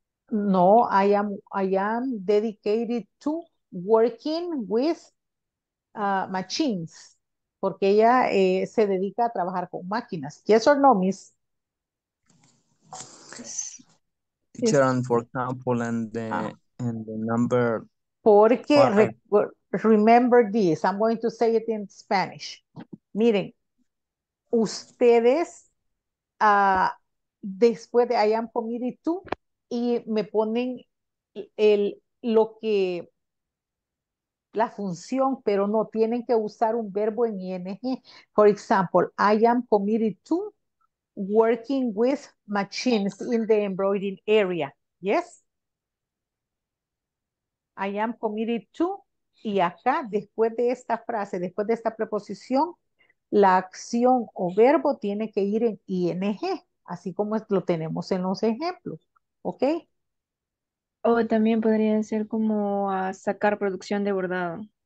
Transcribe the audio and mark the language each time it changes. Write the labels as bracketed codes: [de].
[en] No, I am dedicated to working with machines. [es] Porque ella se dedica a trabajar con máquinas. [en] Yes or no, miss? Teacher, and for example, and the number. Porque, remember this, I'm going to say it in Spanish. [es] Miren, ustedes después de [en] I am committed to, [es] y me ponen el, lo que, la función, pero no, tienen que usar un verbo en ing. [en] For example, I am committed to working with machines in the embroidering area. Yes? I am committed to, [es] y acá, después de esta frase, después de esta preposición, la acción o verbo tiene que ir en ing, así como lo tenemos en los ejemplos, ¿ok? O también podría ser como a sacar producción de bordado.